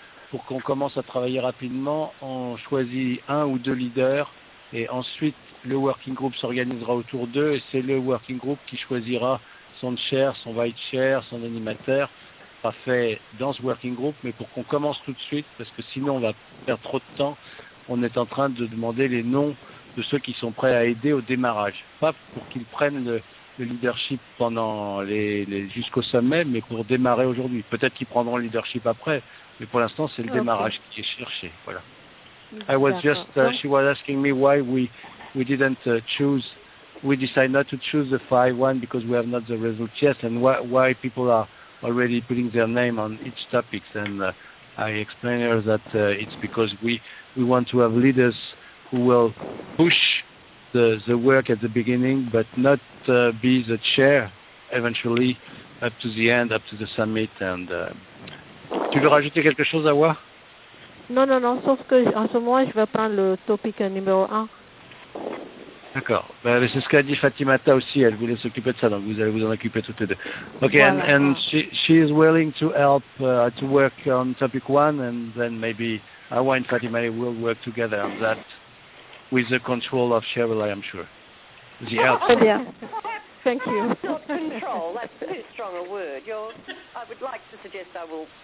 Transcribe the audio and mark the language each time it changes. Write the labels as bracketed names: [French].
[French] pour qu'on commence à travailler rapidement, on choisit un ou deux leaders et ensuite le working group s'organisera autour d'eux et c'est le working group qui choisira son chair, son vice chair, son animateur, pas fait dans ce working group, mais pour qu'on commence tout de suite, parce que sinon on va perdre trop de temps, on est en train de demander les noms de ceux qui sont prêts à aider au démarrage. Pas pour qu'ils prennent le leadership pendant les jusqu'au sommet, mais pour démarrer aujourd'hui. Peut-être qu'ils prendront le leadership après. Mais pour l'instant, c'est le démarrage qui est cherché. Voilà. [English] I was just she was asking me why we didn't choose, we decided not to choose the 5-1 because we have not the results yet, and why people are already putting their name on each topic. And I explained her that it's because we want to have leaders who will push the work at the beginning, but not be the chair eventually up to the end, up to the summit, and. [French] Tu veux rajouter quelque chose à moi? Non, sauf que en ce moment, je vais prendre le topic numéro 1. D'accord. Ben, c'est ce qu'a dit Fatimata aussi. Elle voulait s'occuper de ça, donc vous allez vous en occuper toutes les deux. OK, voilà. [English] And she is willing to help to work on topic 1, and then maybe Awa and Fatimata will work together on that with the control of Cheryl, I am sure. The help. Yeah. Thank you. Control, that's too strong a word. I would like to suggest I will...